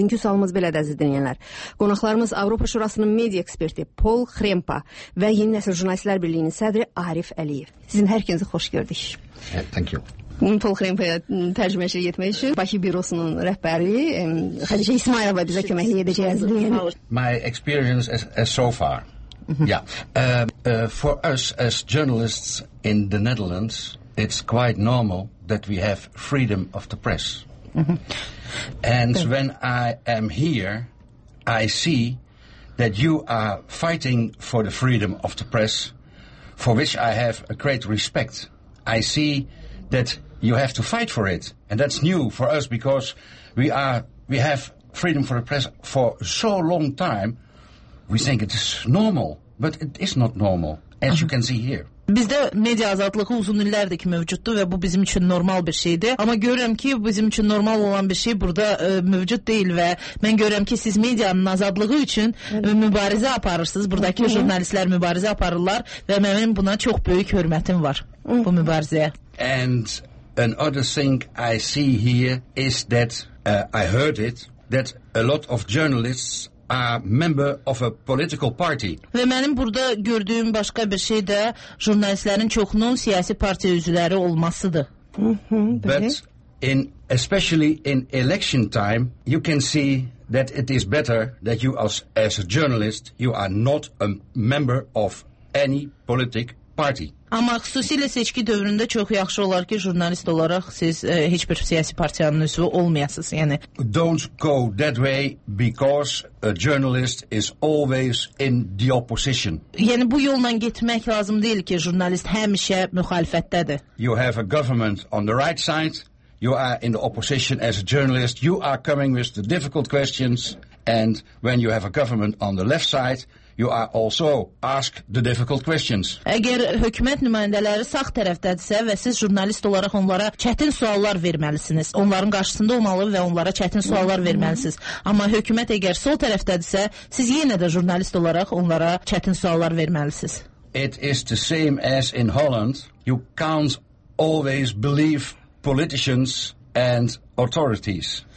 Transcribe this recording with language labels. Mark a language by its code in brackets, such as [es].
[az] Bugünkü sualımız belədir, əziz dinləyənlər. Qonaqlarımız Avropa Şurasının media eksperti Paul Krempa və Yeni Nəsr Jurnalistlər Birliyinin sədri Arif Əliyev. Sizin hər ikinizi xoş gördük. [en] Thank you. [az] Paul Krempa'ya tərcüməçilik etmək üçün Bakı bürosunun rəhbəri Xadicə İsmailova bizə köməkliyə edəcəyiz. [en] My experience as so far. Yeah. For us as journalists in the Netherlands, it's quite normal that we have freedom of the press. And when I am here, I see that you are fighting for the freedom of the press, for which I have a great respect. I see that you have to fight for it, and that's new for us because we have freedom for the press for so long time. We think it is normal, but it is not normal, as you can see here. [az] Bizdə media azadlığı uzun illərdir ki mövcuddur və bu bizim üçün normal bir şeydir. Amma görürəm ki, bizim üçün normal olan bir şey burada mövcud deyil və mən görürəm ki, siz medianın azadlığı üçün mübarizə aparırsınız. Buradakı jurnalistlər mübarizə aparırlar və mənim buna çox böyük hörmətim var bu mübarizəyə. [en] And another thing I see here is that I heard it that a lot of journalists a member of a political party. [az] Və mənim burada gördüyüm başqa bir şey də jurnalistlərin çoxunun siyasi partiya üzvləri olmasıdır. [en] But in especially in election time, you can see that it is better that you as a journalist you are not a member of any political party. [az] Amma xüsusilə seçki dövründə çox yaxşı olar ki, jurnalist olaraq siz heç bir siyasi partiyanın üzvü olmayasınız. Yəni [en] don't go that way because a journalist is always in the opposition. [az] Yəni bu yolla getmək lazım deyil ki, jurnalist həmişə müxalifətdədir. [en] You have a government on the right side, you are in the opposition as a journalist, you are coming with the difficult questions, and when you have a government on the left side, you are also ask the difficult questions. [az] Əgər hökumət nümayəndələri sağ tərəfdədirsə və siz jurnalist olaraq onlara çətin suallar verməlisiniz. Onların qarşısında olmalı və onlara çətin suallar verməlisiniz. Amma hökumət əgər sol tərəfdədirsə, siz yenə də jurnalist olaraq onlara çətin suallar verməlisiniz. [en] It is the same as in Holland. You can't always believe politicians and authorities.